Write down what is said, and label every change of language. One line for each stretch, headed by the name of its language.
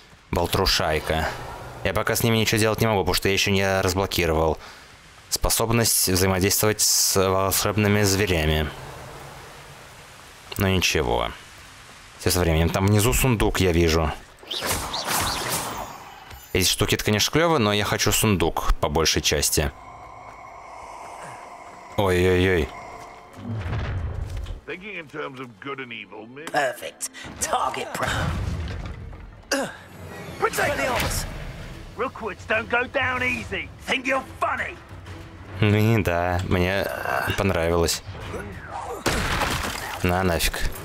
Russian: Болтрушайка. Я пока с ними ничего делать не могу, потому что я еще не разблокировал способность взаимодействовать с волшебными зверями. Но ничего. Все со временем. Там внизу сундук, я вижу. Эти штуки, это, конечно, клево, но я хочу сундук по большей части. Ой-ой-ой.
English: Thinking in terms of good and evil, maybe... Perfect. Target prone. Rookwoods don't go down easy. Think you're funny.
Russian: Ну не да, мне понравилось. На нафиг.